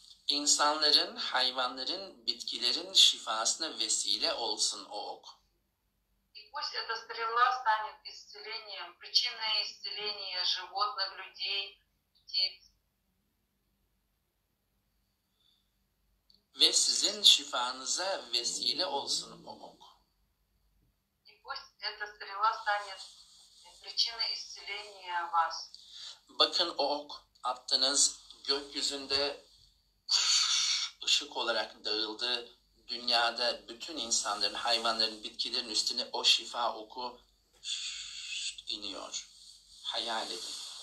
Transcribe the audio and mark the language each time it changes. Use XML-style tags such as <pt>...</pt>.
<tr>İnsanların, hayvanların, bitkilerin şifasına vesile olsun o ok.</tr> <ru>И пусть эта стрела станет исцелением, причиной исцеления животных, людей, птиц.</ru> <tr>Ve sizin şifanıza vesile olsun o ok.</tr> <ru>И пусть эта стрела станет причиной исцеления вас.</ru> <tr>Bakın o ok attınız, gökyüzünde ışık olarak dağıldı. Dünyada bütün insanların, hayvanların, bitkilerin üstüne o şifa oku iniyor. Hayal edin.</tr>